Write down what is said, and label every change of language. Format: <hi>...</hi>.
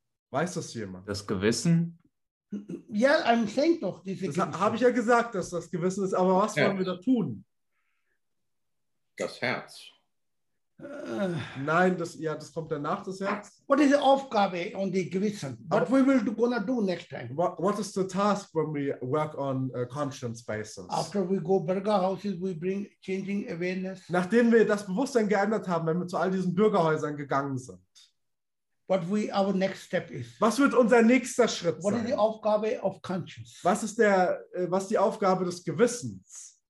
<de>Weiß das jemand? Das Gewissen.</de> <en>Ja, yeah, I'm saying doch.</en> <de>Das habe ich ja gesagt, dass das Gewissen ist. Aber was wollen wir da tun? Das Herz. Nein, das, ja, das kommt danach, das Herz.</de> <en>What is the Aufgabe on the Gewissen? What we will do, gonna do next time? What is the task when we work on conscience basis? After we go Burger houses, we bring changing awareness.</en> <de>Nachdem wir das Bewusstsein geändert haben, wenn wir zu all diesen Bürgerhäusern gegangen sind.</de> <en>What we our next step is?</en> <de>Was wird unser nächster Schritt</de> <en>what</en> <de>sein?</de> <en>What is the Aufgabe of conscience?</en> <de>Was ist der was die Aufgabe des Gewissens?</de>